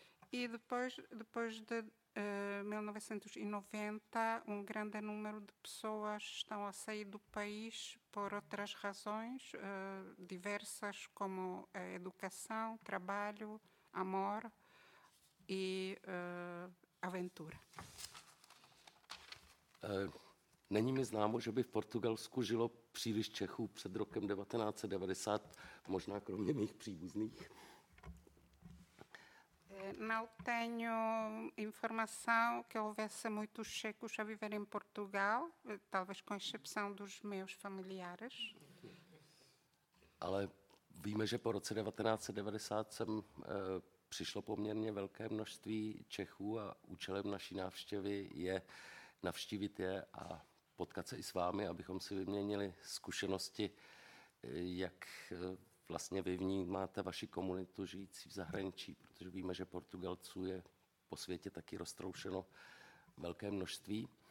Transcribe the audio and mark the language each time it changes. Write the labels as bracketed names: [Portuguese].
[Portuguese] E depois de 1990, um grande número de pessoas estão a sair do país por outras razões, diversas, como a educação, trabalho, amor e aventura. [Czech] Není mi známo, že by v Portugalsku žilo příliš Čechů před rokem 1990, možná kromě mých příbuzných. [Portuguese] Não tenho informação que houvesse muitos checos a viver em Portugal, talvez com exceção dos meus familiares. [Czech] Ale víme, že po roce 1990 sem přišlo poměrně velké množství Čechů a účelem naší návštěvy je navštívit je a potkat se i s vámi, abychom si vyměnili zkušenosti, jak vlastně vy vnímáte vaši komunitu žijící v zahraničí, protože víme, že Portugalců je po světě taky roztroušeno velké množství.